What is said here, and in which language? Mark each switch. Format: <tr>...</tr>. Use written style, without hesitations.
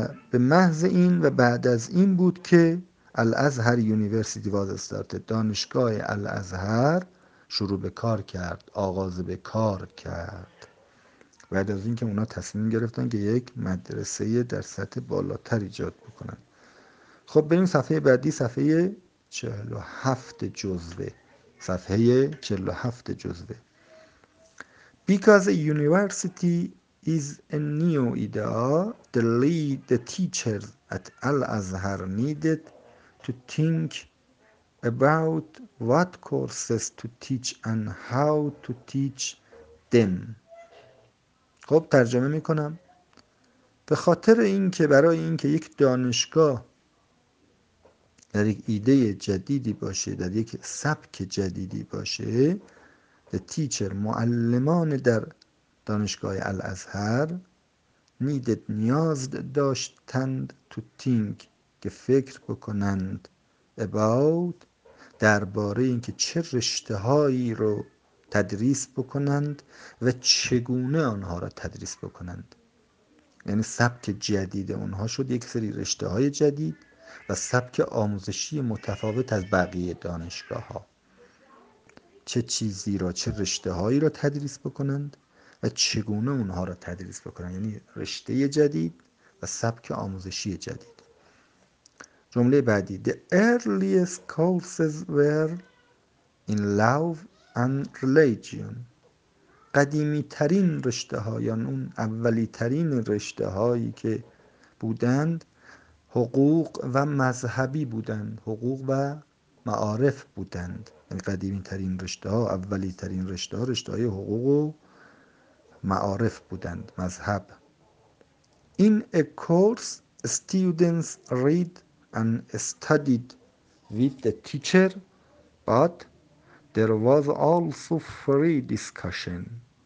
<fa>به محض این و بعد از این بود که الازهر یونیورسیتی واز استارتد، دانشگاه الازهر شروع به کار کرد، آغاز به کار کرد. بعد از اینکه اونا تصمیم گرفتن که یک مدرسه در سطح بالاتر ایجاد بکنن. خب بریم صفحه بعدی، صفحه 47 جزوه. صفحه 47 جزوه.</fa> <en>Because a university is a new idea, the teachers at Al-Azhar needed to think about what courses to teach and how to teach them.</en> <fa>خب ترجمه میکنم. به خاطر اینکه برای اینکه یک دانشگاه در یک ایده جدیدی باشه، در یک سبک جدیدی باشه،</fa> <en>the teacher،</en> <fa>معلمان در دانشگاه الازهر needed، نیاز داشتند، to think، که فکر بکنند، about، درباره اینکه چه رشته هایی رو تدریس بکنند و چگونه آنها را تدریس بکنند. یعنی سبک جدید اونها شد یک سری رشته های جدید و سبک آموزشی متفاوت از بقیه دانشگاه ها. چه چیزی را، چه رشته هایی را تدریس بکنند و چگونه اونها را تدریس بکنند، یعنی رشته جدید و سبک آموزشی جدید. جمله بعدی:</fa> <en>The earliest courses were in love and religion.</en> <fa>قدیمی ترین رشته ها، یعنی اون اولی ترین رشته هایی که بودند، حقوق و مذهبی بودند، حقوق و معارف بودند. یعنی قدیمی ترین رشته ها، اولی ترین رشته ها، رشته های حقوق و معارف بودند، مذهب.</fa> <en>In a course students read and studied with the teacher, but there was also free discussion.</en>